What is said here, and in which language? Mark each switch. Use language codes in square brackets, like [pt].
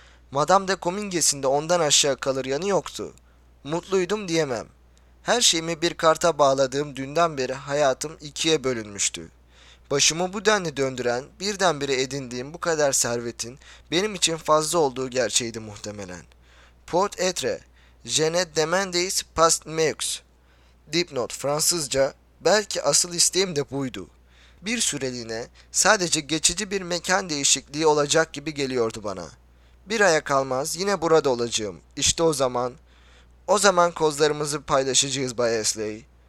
[tr] Madame de Comminges'in de ondan aşağı kalır yanı yoktu. Mutluydum diyemem. Her şeyimi bir karta bağladığım dünden beri hayatım ikiye bölünmüştü. Başımı bu denli döndüren, birdenbire edindiğim bu kadar servetin benim için fazla olduğu gerçeğiydi muhtemelen. [fr] Pot etre, je ne demandais pas mieux. [tr] Dipnot, Fransızca, belki asıl isteğim de buydu. Bir süreliğine sadece geçici bir mekan değişikliği olacak gibi geliyordu bana. Bir aya kalmaz yine burada olacağım. İşte o zaman kozlarımızı paylaşacağız Bay Esley.